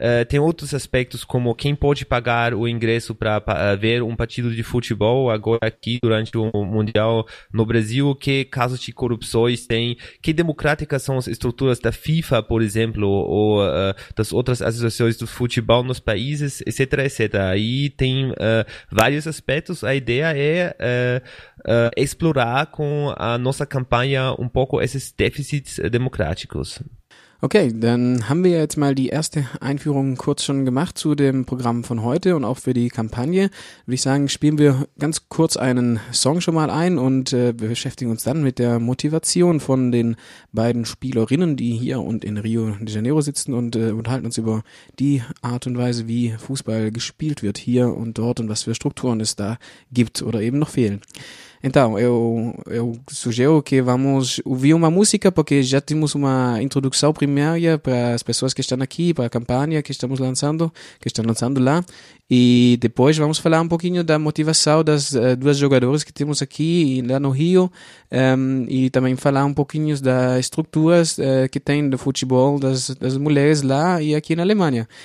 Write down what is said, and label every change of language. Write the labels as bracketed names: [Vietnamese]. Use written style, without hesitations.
[Portuguese] Tem outros aspectos como quem pode pagar o ingresso para ver um partido de futebol agora aqui durante o Mundial no Brasil, que casos de corrupções tem, que democráticas são as estruturas da FIFA, por exemplo, ou das outras associações do futebol nos países, etc, etc. Aí tem vários aspectos. A ideia é explorar com a nossa campanha um pouco esses déficits democráticos. [German] Okay, dann haben wir jetzt mal die erste Einführung kurz schon gemacht zu dem Programm von heute und auch für die Kampagne. Würde ich sagen, spielen wir ganz kurz einen Song schon mal ein und wir beschäftigen uns dann mit der Motivation von den beiden Spielerinnen, die hier und in Rio de Janeiro sitzen und unterhalten uns über die Art und Weise, wie Fußball gespielt wird hier und dort und was für Strukturen es da gibt oder eben noch fehlen. [Portuguese] Então, eu sugiro que vamos ouvir uma música, porque já temos uma introdução primária para as pessoas que estão aqui, para a campanha que estamos lançando, que estão lançando lá. E depois vamos falar um pouquinho da motivação das duas jogadoras que temos aqui lá no Rio, e também falar um pouquinho das estruturas que tem do futebol das mulheres lá e aqui na Alemanha.